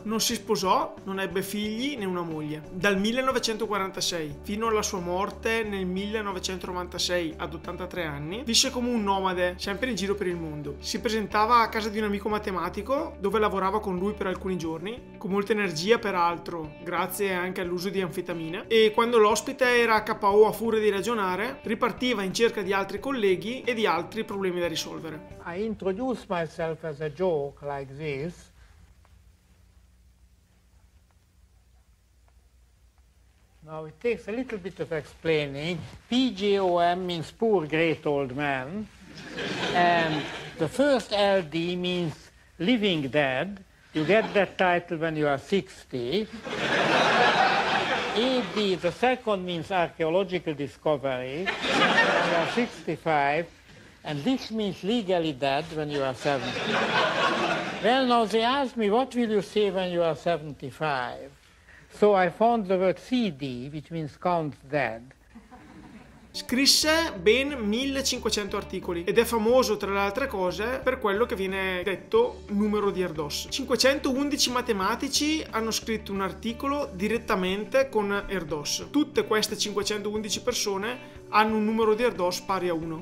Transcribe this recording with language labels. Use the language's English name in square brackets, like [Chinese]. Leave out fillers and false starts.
[Italian] Non si sposò, non ebbe figli né una moglie. Dal 1946 fino alla sua morte nel 1996 ad 83 anni, visse come un nomade, sempre in giro per il mondo. Si presentava a casa di un amico matematico, dove lavorava con lui per alcuni giorni, con molta energia peraltro, grazie anche all'uso di anfetamine, e quando l'ospite era KO a furia di ragionare, ripartiva in cerca di altri colleghi e di altri problemi da risolvere. [English] I introduce myself as a joke like this. Now it takes a little bit of explaining. PGOM means poor great old man. And the first LD means living dead. You get that title when you are 60. AD, the second means archaeological discovery, when you are 65, and this means legally dead when you are 70. Well, now they asked me, what will you say when you are 75? So I found the word CD, which means count dead. [Italian] Scrisse ben 1500 articoli ed è famoso tra le altre cose per quello che viene detto numero di Erdős. 511 matematici hanno scritto un articolo direttamente con Erdős. Tutte queste 511 persone hanno un numero di Erdős pari a 1.